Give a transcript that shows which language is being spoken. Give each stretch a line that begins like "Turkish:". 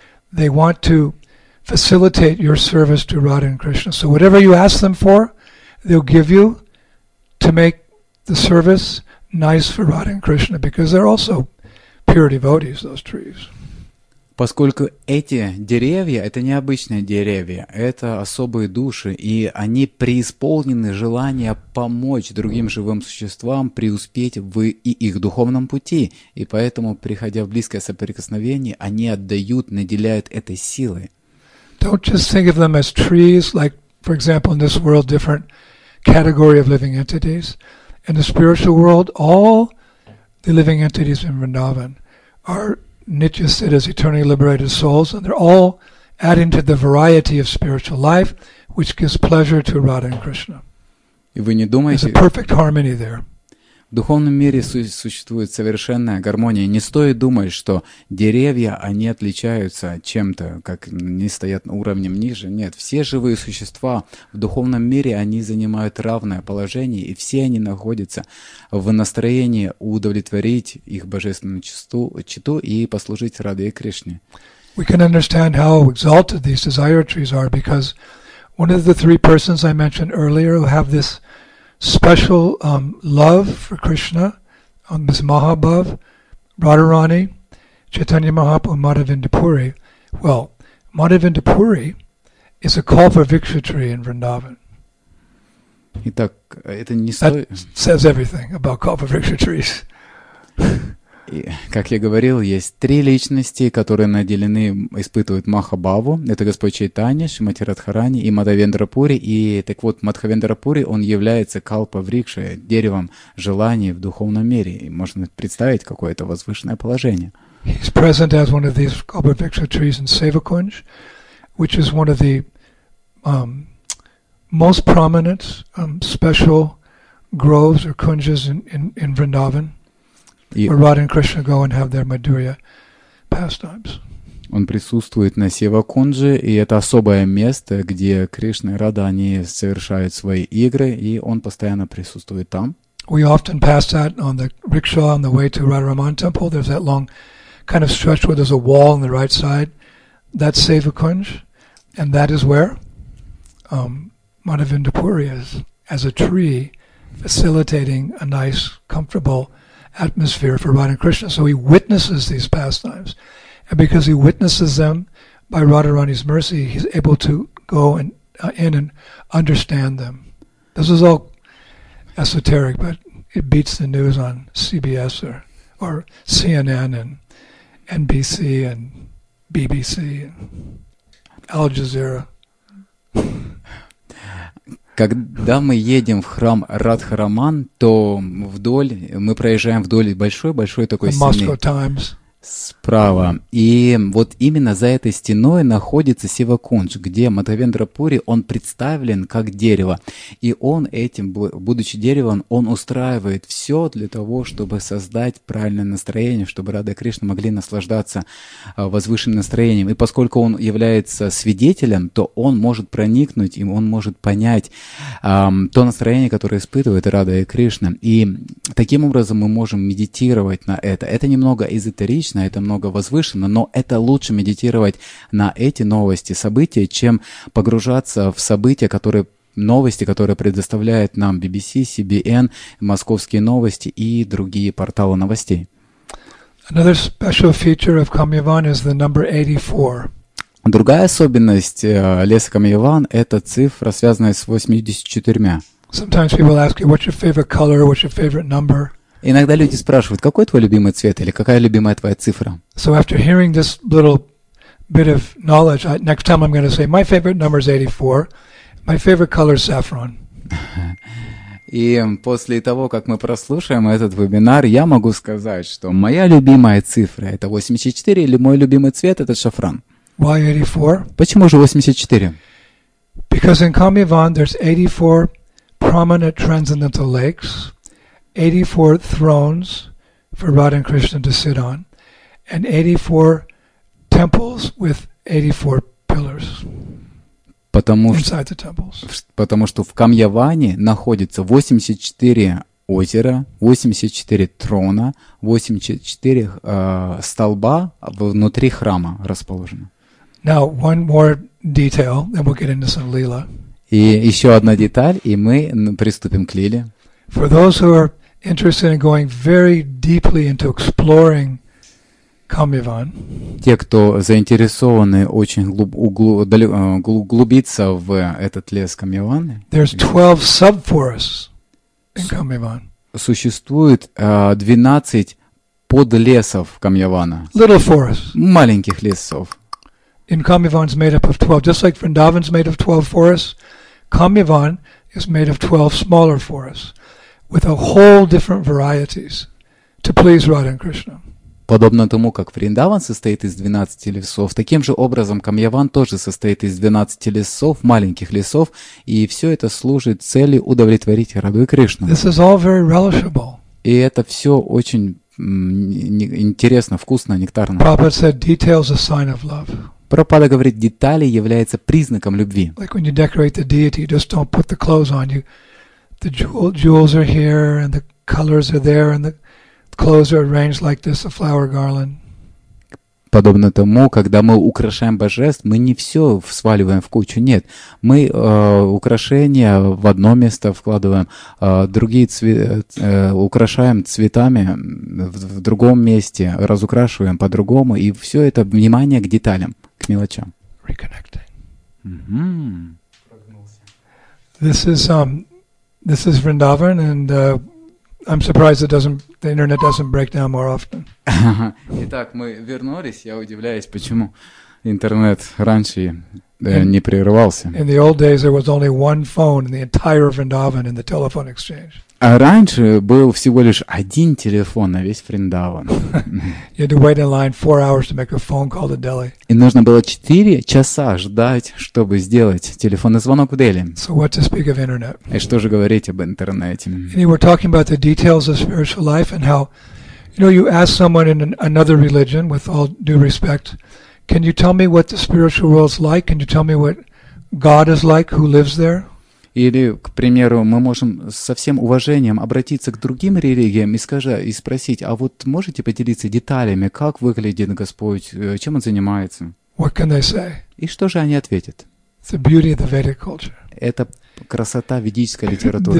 English: They want to facilitate your service to Radha and Krishna. So whatever you ask them for, they'll give you to make the service nice for Radha and Krishna, because they're also pure devotees, those trees.
Russian: Поскольку эти деревья – это необычные деревья, это особые души, и они преисполнены желания помочь другим живым существам преуспеть в их духовном пути. И поэтому, приходя в близкое соприкосновение, они отдают, наделяют этой силой.
English: Don't just think of them as trees, like, for example, in this world, different category of living entities. In the spiritual world, all the living entities in Vrindavan are Nitya Siddhas, eternally liberated souls, and they're all adding to the variety of spiritual life, which gives pleasure to Radha and Krishna.
Russian: И вы не думаете,
English: there's a perfect harmony there.
Russian: В духовном мире существует совершенная гармония. Не стоит думать, что деревья, они отличаются чем-то, как они стоят уровнем ниже. Нет, все живые существа в духовном мире, они занимают равное положение, и все они находятся в настроении удовлетворить их божественную чету и послужить Раде Кришне.
English: We can understand how exalted these desire trees are, because one of the three persons I mentioned earlier who have this special love for Krishna, this Mahabhav, Radharani, Chaitanya Mahaprabhu, and Madhavendapuri. Well, Madhavendapuri is a kalpa viksha tree in Vrindavan.
Russian: Итак, это не
English: that says everything about kalpa viksha trees.
Russian: И, как я говорил, есть три личности, которые наделены, испытывают Махабаву. Это Господь Чайтанья, Шримати Радхарани и Мадхавендрапури. И так вот, Мадхавендрапури, он является калпа-врикша, деревом желаний в духовном мире. И можно представить какое-то возвышенное положение.
English: He's present as one of these kalpa-vriksha trees in Sevakunj, which is one of the most prominent special groves or kunjas in Vrindavan. Where Radha and Krishna go and have their Madhurya pastimes.
Russian: Он присутствует на Севакунджи, и это особое место, где Кришна и Рада, они совершают свои игры, и он постоянно присутствует там.
English: We often pass that on the rickshaw on the way to Radharaman temple. There's that long kind of stretch where there's a wall on the right side. That's Sevakunj, and that is where Madhavendapuri is, as a tree facilitating a nice, comfortable atmosphere for Radha and Krishna. So he witnesses these pastimes. And because he witnesses them, by Radharani's mercy, he's able to go and in and understand them. This is all esoteric, but it beats the news on CBS or CNN and NBC and BBC and Al Jazeera.
Russian: Когда мы едем в храм Радхараман, то вдоль, мы проезжаем вдоль большой-большой такой стены справа. И вот именно за этой стеной находится Севакунж, где Мадхавендрапури, он представлен как дерево. И он этим, будучи деревом, он устраивает все для того, чтобы создать правильное настроение, чтобы Рада Кришна могли наслаждаться возвышенным настроением. И поскольку он является свидетелем, то он может проникнуть, и он может понять то настроение, которое испытывает Рада и Кришна. И таким образом мы можем медитировать на это. Это немного эзотерично, это много возвышено, но это лучше медитировать на эти новости, события, чем погружаться в события, которые, новости, которые предоставляют нам BBC, CBN, московские новости и другие порталы новостей.
English: Another special feature of Kamyavan is the number 84.
Russian: Другая особенность леса Камьеван – это цифра, связанная с 84.
English: Sometimes people ask you, what's your favorite color, what's your favorite number?
Russian: Иногда люди спрашивают, какой твой любимый цвет или какая любимая твоя цифра?
English: So after hearing this little bit of knowledge, next time I'm going to say, my favorite number is 84, my favorite color is saffron.
Russian: И после того, как мы прослушаем этот вебинар, я могу сказать, что моя любимая цифра – это 84, или мой любимый цвет – это шафран.
English: Why 84?
Russian: Почему же 84?
English: Because in Kamyavan there's 84 prominent transcendental lakes, 84 thrones for Radha and Krishna to sit on, and 84 temples with 84 pillars.
Russian: Потому что в Камьяване находится 84 озера, 84 трона, 84 столба внутри храма расположено.
English: Now, one more detail, then we'll get into some lila.
Russian: И еще одна деталь, и мы приступим к лиле.
English: For those who are interested in going very deeply into exploring Kamyavan.
Russian: Те, кто заинтересованы очень углубиться в этот лес Камьяван.
English: There's 12 subforests in Kamyavan.
Russian: Существует 12 подлесов Камьявана.
English: Little forests.
Russian: Маленьких лесов.
English: In Kamyavan is made up of 12, just like Vrindavan is made of 12 forests. Kamyavan is made of 12 smaller forests with a whole different varieties to please Radha and Krishna.
Russian: Подобно тому, как Вриндаван состоит из 12 лесов, таким же образом Камьяван тоже состоит из 12 лесов, маленьких лесов, и все это служит цели удовлетворить Раду и Кришну.
English: This is all very relishable.
Russian: И это все очень интересно, вкусно, нектарно.
English: Prabhupada said, details are a sign of love.
Russian: Прабхупада говорит, детали являются признаком любви.
English: Like when you decorate the deity, you just don't put the clothes on. You, the jewels are here, and the colors are there, and the clothes are arranged like this, a flower garland.
Russian: Подобно тому, когда мы украшаем божеств, мы не все сваливаем в кучу, нет. Мы украшения в одно место вкладываем, другие украшаем цветами в другом месте, разукрашиваем по-другому, и все это внимание к деталям, к мелочам.
English: Reconnecting. Mm-hmm. This is Vrindavan, and I'm surprised the internet doesn't break down more often.
Russian: Итак, мы вернулись. Я удивляюсь, почему интернет раньше не прерывался.
English: In the old days, there was only one phone in the entire Vrindavan in the telephone exchange.
Russian: А раньше был всего лишь один телефон на весь Вриндаван.
English: You had to wait in line 4 hours to make a phone call to Delhi.
Russian: И нужно было 4 часа ждать, чтобы сделать телефонный звонок в Дели.
English: So what to speak of internet?
Russian: И что же говорить об интернете?
English: And we're talking about the details of spiritual life and how, you know, you ask someone in another religion, with all due respect, can you tell me what the spiritual world's like? Can you tell me what God is like? Who lives there?
Russian: Или, к примеру, мы можем со всем уважением обратиться к другим религиям и спросить, а вот можете поделиться деталями, как выглядит Господь, чем Он занимается?
English: What can they say?
Russian: И что же они ответят?
English: The beauty of the Vedic culture.
Russian: Это красота ведической литературы.